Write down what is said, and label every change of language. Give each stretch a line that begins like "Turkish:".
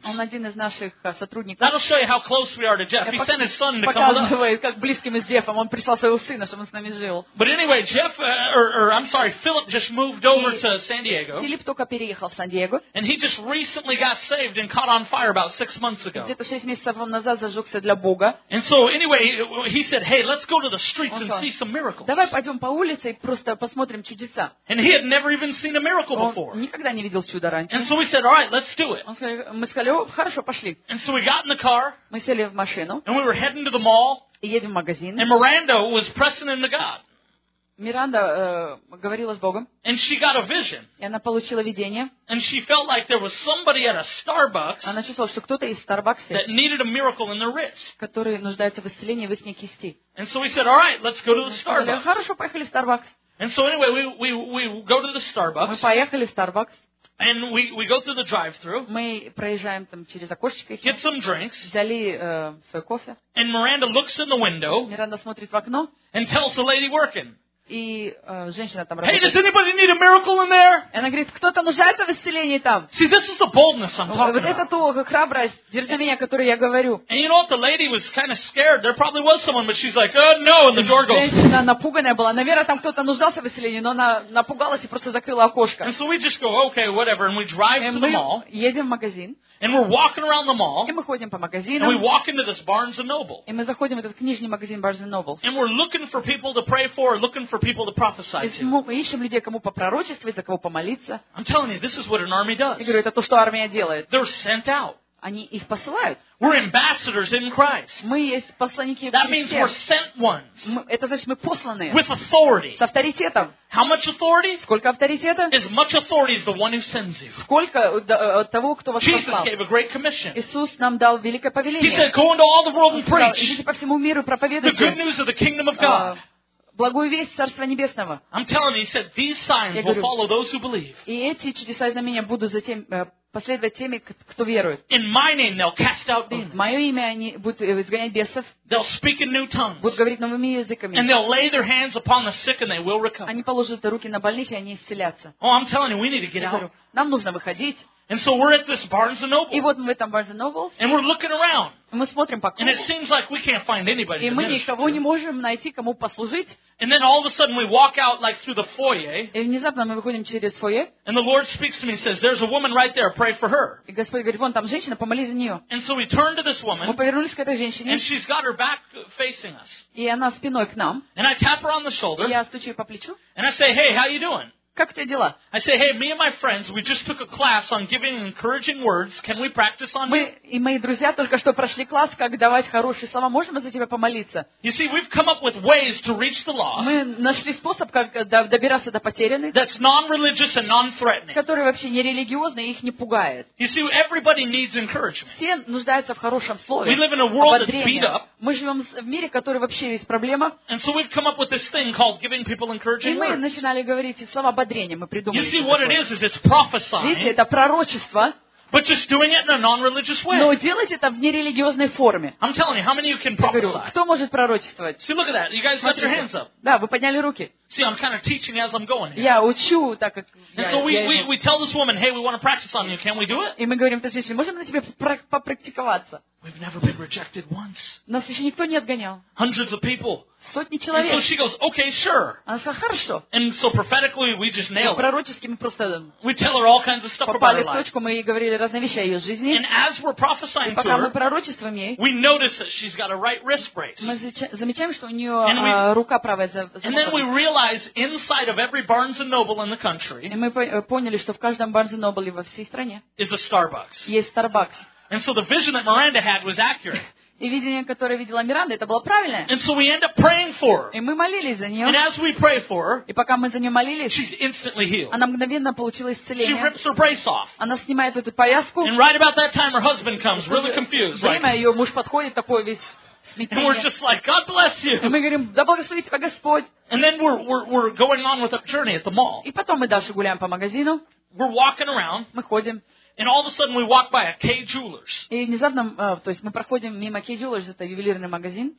Russian: Он один из наших сотрудников.
English: That'll show you how close we are to Jeff. He sent his son to come with us.
Russian: Показывает, как близким с Джеффом. Он прислал своего сына, чтобы он с нами жил.
English: But anyway, Jeff, Philip just moved over to San Diего.
Russian: Филипп только переехал в Сан-Диего.
English: And he just recently got saved and caught on fire about 6 months ago.
Russian: Где-то 6 месяцев назад зажегся для Бога.
English: And so anyway, he said, "Hey, let's go to the streets." See some miracles.
Russian: Давай пойдем по улице и просто посмотрим чудеса.
English: And he had never even seen a miracle before.
Russian: Он никогда не видел чудо раньше.
English: And so we said, "All right, let's do it."
Russian: Мы сказали, хорошо, пошли.
English: And so we got in the car.
Russian: Мы сели в машину.
English: And we were heading to the mall.
Russian: И едем в магазин.
English: And Miranda was pressing into God.
Russian: Миранда говорила с Богом.
English: And she got a vision.
Russian: И она получила видение.
English: And she felt like there was somebody at a Starbucks.
Russian: Она чувствовала, что кто-то из Starbucks.
English: That needed a miracle in their wrist.
Russian: Который нуждается в исцелении в их кисти.
English: And so we said, "All right, let's go to the Starbucks."
Russian: Хорошо, поехали в Starbucks.
English: And so anyway, we go to the Starbucks.
Russian: Мы поехали в Starbucks.
English: And we go through the drive-through.
Russian: Мы проезжаем там через окошечко.
English: Get some drinks.
Russian: Взяли свой кофе.
English: And Miranda looks in the window.
Russian: Миранда смотрит в окно.
English: And tells the lady working.
Russian: И женщина там работает.
English: Hey, does anybody need a miracle in there?
Russian: И она говорит, кто-то нуждается в исцелении там.
English: See, this is the boldness I'm talking about.
Russian: Вот это то храбрость, дерзновение, о которой я говорю.
English: And you know what? The lady was kind of scared. There probably was someone, but she's like, oh no, and the door goes.
Russian: Женщина напуганная была. Наверное, там кто-то нуждался в исцелении, но она напугалась и просто закрыла окошко.
English: And so we just go, okay, whatever, and we drive to the mall.
Russian: И мы едем в магазин.
English: And we're walking around the mall.
Russian: И мы ходим по магазинам.
English: And we walk into this Barnes and Noble.
Russian: И мы заходим в этот книжный магазин Barnes and Noble.
English: And we're looking for people to pray for, looking for people to prophesy to.
Russian: Мы ищем людей, кому попророчествовать, за кого помолиться.
English: I'm telling you, this is what an army does.
Russian: Я говорю, это то, что армия делает.
English: They're sent out.
Russian: Они их посылают.
English: We're ambassadors in Christ.
Russian: Мы есть посланники в Христе.
English: That means we're sent ones.
Russian: Это значит, мы посланные.
English: With authority.
Russian: С авторитетом.
English: How much authority?
Russian: Сколько авторитета?
English: As much authority as the one who sends you.
Russian: Сколько того, кто вас
English: Jesus
Russian: послал.
English: Jesus gave a great commission.
Russian: Иисус нам дал великое повеление.
English: He said, "Go into all the world and preach."
Russian: Идите по всему миру проповедуйте.
English: The good news of the kingdom of God.
Russian: Благую весть Царства Небесного.
English: I'm telling you, he said, these signs will follow those who believe.
Russian: И эти чудеса и знамения будут затем последовать теми, кто верует.
English: In my name they'll cast out demons.
Russian: В мое имя они будут изгонять бесов.
English: They'll speak in new tongues.
Russian: Будут говорить новыми языками.
English: And they'll lay their hands upon the sick and they will recover.
Russian: Они положат руки на больных и они исцелятся.
English: Oh, I'm telling you, we need to get out.
Russian: Нам нужно выходить.
English: And so we're at this Barnes and Noble.
Russian: И вот мы в этом Barnes and Noble.
English: And we're looking around.
Russian: И мы смотрим по кругу.
English: And it seems like we can't find anybody.
Russian: И мы никого не можем найти, кому послужить.
English: And then all of a sudden we walk out like through the foyer.
Russian: И внезапно мы выходим через фойе.
English: And the Lord speaks to me and says, "There's a woman right there. Pray for her."
Russian: И Господь говорит, вон там женщина, помолись за нее.
English: And so we turn to this woman.
Russian: Мы повернулись к этой женщине.
English: And she's got her back facing us.
Russian: И она спиной к нам.
English: And I tap her on the shoulder.
Russian: И я стучу ей по плечу.
English: And I say, "Hey, how you doing?"
Russian: Как у тебя дела?
English: I say, "Hey, me and my friends, we just took a class on giving encouraging words. Can we practice on you?"
Russian: Мы и мои друзья только что прошли класс, как давать хорошие слова. Можем мы за тебя помолиться?
English: You see, we've come up with ways to reach the lost.
Russian: Мы нашли способ, как добираться до потерянных.
English: That's non-religious and non-threatening.
Russian: Которые вообще не религиозные и их не пугает.
English: You see, everybody needs encouragement.
Russian: Все нуждаются в хорошем слове.
English: We live in a world that's beat up.
Russian: Мы живем в мире, который вообще есть проблема.
English: And so we've come up with this thing called giving people encouraging words.
Russian: И мы начинали говорить эти слова. Мы придумали.
English: You see, what it is it's prophesying.
Russian: Видите, это пророчество.
English: But just doing it in a non-religious way.
Russian: Но делать это в нерелигиозной форме.
English: I'm telling you, how many of you can prophesy?
Russian: Кто может пророчествовать?
English: See, look at that. You guys got your hands up.
Russian: Да, вы подняли руки.
English: See, I'm kind of teaching as I'm going here.
Russian: Я учу, так как.
English: And so we tell this woman, "Hey, we want to practice on you. Can we do it?"
Russian: И мы говорим этой женщине, можем на тебе попрактиковаться?
English: We've never been rejected once.
Russian: Нас еще никто не отгонял.
English: Hundreds of people.
Russian: Сотни человек.
English: And so she goes, "Okay, sure."
Russian: Она сказала, хорошо.
English: And so prophetically we just nail it.
Russian: Пророчески мы просто.
English: We tell her all kinds of stuff about her life.
Russian: Попали в точку, мы ей говорили разные вещи о ее жизни.
English: And as we're prophesying to her,
Russian: пока мы пророчествуем ей,
English: we notice that she's got a right wrist brace.
Russian: Мы замечаем, что у нее рука правая замотана.
English: And then we realize inside of every Barnes and Noble in the country.
Russian: И мы поняли, что в каждом Barnes and Noble во всей стране
English: is a Starbucks.
Russian: Есть Starbucks.
English: And so the vision that Miranda had was accurate.
Russian: И видение, которое видела Миранда, это было правильное.
English: And so we end up praying for her.
Russian: И мы молились за нее.
English: And as we pray for her,
Russian: и пока мы за нее молились,
English: she's instantly healed.
Russian: Она мгновенно получила исцеление.
English: She rips her brace off.
Russian: Она снимает эту повязку.
English: And right about that time, her husband comes, really confused.
Russian: Время ее муж подходит такой весь.
English: And we're just like, "God bless you."
Russian: И мы говорим, да благослови тебя Господь.
English: And then we're going on with our journey at the mall.
Russian: И потом мы дальше гуляем по магазину.
English: We're walking around.
Russian: Мы ходим.
English: And all of a sudden, we walk by a K Jewelers.
Russian: И внезапно, то есть мы проходим мимо K Jewelers, это ювелирный магазин.